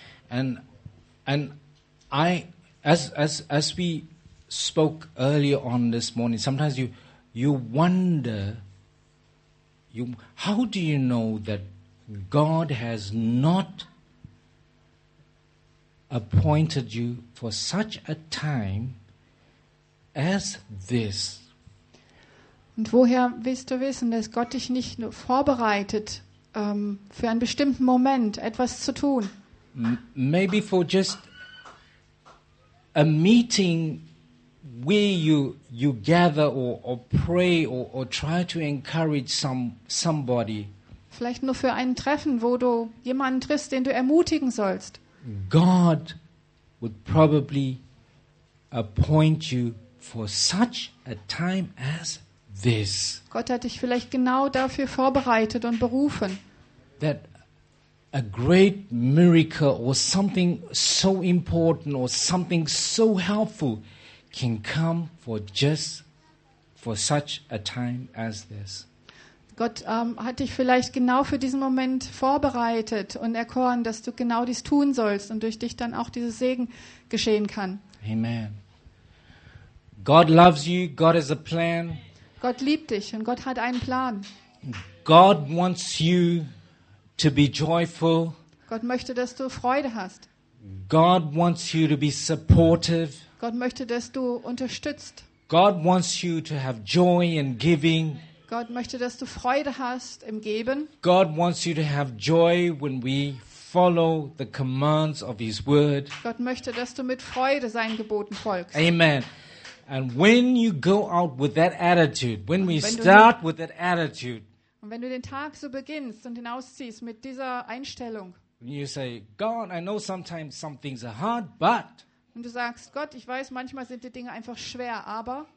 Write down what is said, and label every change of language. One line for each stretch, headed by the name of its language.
English: And I, as we spoke earlier on this morning, sometimes you wonder, how do you know that God has not appointed you for such a time as this?
German: Und woher willst du wissen, dass Gott dich nicht nur vorbereitet, für einen bestimmten Moment etwas zu tun?
English: Maybe for just a meeting where you gather or pray or try to encourage somebody.
German: Vielleicht nur für ein Treffen, wo du jemanden triffst, den du ermutigen sollst.
English: God would probably appoint you for such a time as this.
German: Gott hat dich vielleicht genau dafür vorbereitet und berufen.
English: That a great miracle or something so important or something so helpful can come for just for such a time as this.
German: Gott hat dich vielleicht genau für diesen Moment vorbereitet und erkoren, dass du genau dies tun sollst und durch dich dann auch dieses Segen geschehen kann.
English: Amen. God loves you. God has a plan.
German: Gott liebt dich und Gott hat einen Plan.
English: God wants you to be joyful.
German: Gott möchte, dass du Freude hast.
English: God wants you to be supportive.
German: Gott möchte, dass du unterstützt.
English: God wants you to have joy in giving.
German: Gott möchte, dass du Freude hast im Geben.
English: God wants you to have joy when we follow the commands of His Word.
German: Gott möchte, dass du mit Freude seinen Geboten folgst.
English: Amen. And when you go out with that attitude, when we start with that attitude,
German: und wenn du den Tag so beginnst und hinausziehst mit dieser Einstellung,
English: you say, God, I know sometimes some things are hard, but,
German: und du sagst, Gott, ich weiß, manchmal sind die Dinge einfach schwer, aber,